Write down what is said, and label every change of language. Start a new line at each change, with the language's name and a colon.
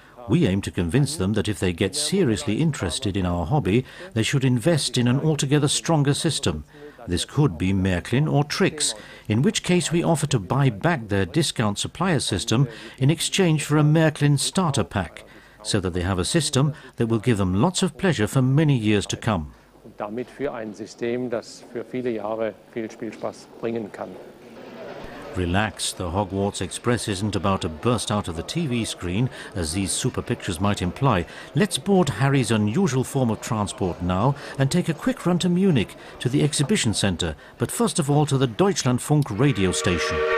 English: We aim to convince them that if they get seriously interested in our hobby, they should invest in an altogether stronger system. This could be Merklin or Trix, in which case we offer to buy back their discount supplier system in exchange for a Merklin starter pack, so that they have a system that will give them lots of pleasure for many years to come.
German: Damit für ein System, das für viele Jahre viel Spielspaß bringen kann.
English: Relax, the Hogwarts Express isn't about to burst out of the TV screen, as these super pictures might imply. Let's board Harry's unusual form of transport now and take a quick run to Munich, to the exhibition center, but first of all to the Deutschlandfunk radio station.